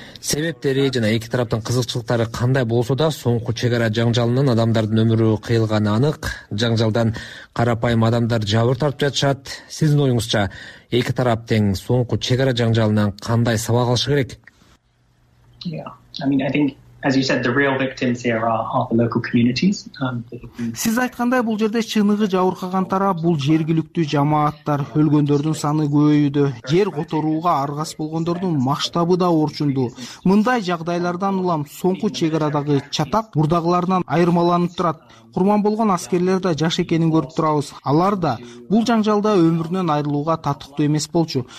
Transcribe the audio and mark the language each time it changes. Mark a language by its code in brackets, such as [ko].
[ky] себептери жана эки тараптын кызыкчылыктары кандай болсо да, соңку чек ара жаңжалынан адамдардын өмүрү кыйылганы анык. Жаңжалдан карапайым адамдар жабыр тартып жатышат. Сиздин оюңузча эки тарап тең соңку чек ара жаңжалынан кандай сабак алышы керек? [en] As you said, the real victims here are the local communities. [ky] Сиз айткандай, бул жерде чыныгы жабыркаган тарап бул жергиликтүү жамааттар. Өлгөндөрдүн саны көбөйүүдө, жер которууга аргас болгондордун масштабы да орчунду. Мындай жагдайлардан улам соңку чек арадагы чатак мурдагыларынан айырмаланып турат. Курман болгон аскерлер да жаш экенин көрүп турабыз. Алар да бул жаңжалда өмүрүнөн айрылууга татыктуу эмес болчу.